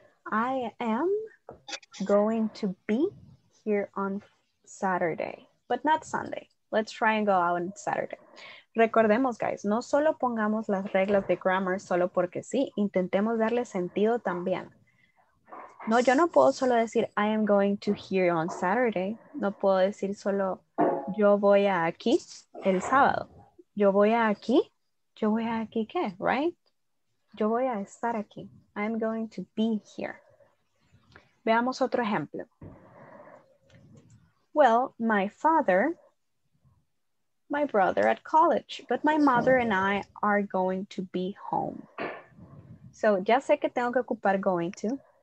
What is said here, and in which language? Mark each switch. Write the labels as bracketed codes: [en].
[en] I am going to be here on Saturday, but not Sunday. Let's try and go out on Saturday. [es] Recordemos, guys, no solo pongamos las reglas de grammar solo porque sí, intentemos darle sentido también. No, yo no puedo solo decir, [en] I am going to here on Saturday. [es] No puedo decir solo, yo voy a aquí el sábado. Yo voy a aquí, ¿qué? Right? Yo voy a estar aquí. [en] I am going to be here. [es] Veamos otro ejemplo. [en] Well, my father... My brother at college, but my mother and I are going to be home. [es] So, ya sé que tengo que ocupar going to.